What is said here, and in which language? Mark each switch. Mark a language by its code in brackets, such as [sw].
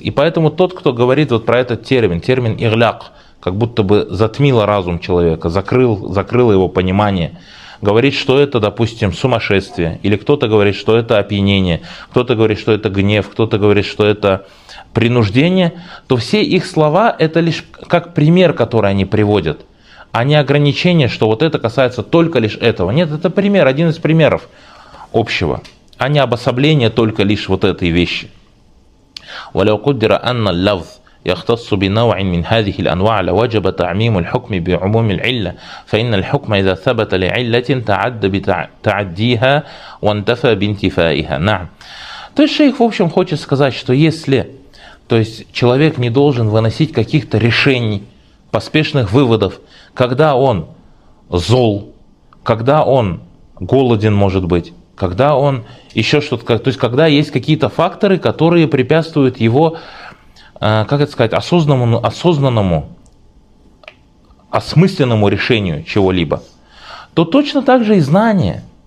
[ru] И поэтому тот, кто говорит вот про этот термин «игляк», как будто бы затмило разум человека, закрыло его понимание, говорит, что это, допустим, сумасшествие, или кто-то говорит, что это опьянение, кто-то говорит, что это гнев, кто-то говорит, что это принуждение, то все их слова – это лишь как пример, который они приводят, а не ограничение, что вот это касается только лишь этого. Нет, это пример, один из примеров общего, а не обособление только лишь вот этой вещи. [ar] وَلَوْ قُدِّرَ أَنَّ اللَّوْذ يختص بنوع من هذه الأنواع لوجب تعميم الحكم بعموم العلة فإن الحكم إذا ثبت لعلة تعد بتعديها وانتفى بانتفائها. نعم. [ru] То есть шейх, в общем, хочет сказать, что если, то есть человек не должен выносить каких-то решений, поспешных выводов, когда он зол, когда он голоден, может быть, когда он еще что-то, то есть когда есть какие-то факторы, которые препятствуют его, как это сказать, осознанному, осмысленному решению чего-либо, то точно так же и знание.